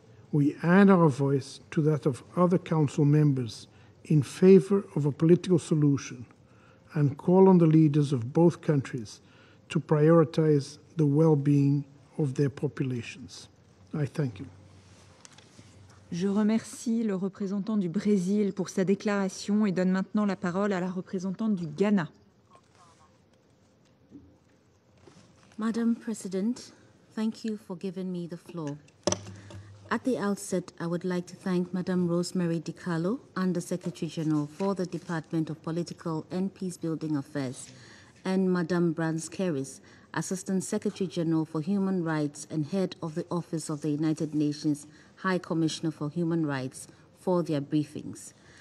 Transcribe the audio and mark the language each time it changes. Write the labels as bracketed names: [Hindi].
[English] We add our voice to that of other council members in favor of a political solution and call on the leaders of both countries to prioritize the well-being of their populations. I thank you. [French] Je remercie le représentant du Brésil pour sa déclaration et donne maintenant la parole à la représentante du Ghana. [English] Madam President, thank you for giving me the floor. At the outset, I would like to thank Madam Rosemary DiCarlo, Under Secretary General for the Department of Political and Peacebuilding Affairs, and Madam Brans Keris, Assistant Secretary General for Human Rights and Head of the Office of the United Nations High Commissioner for Human Rights, for their briefings.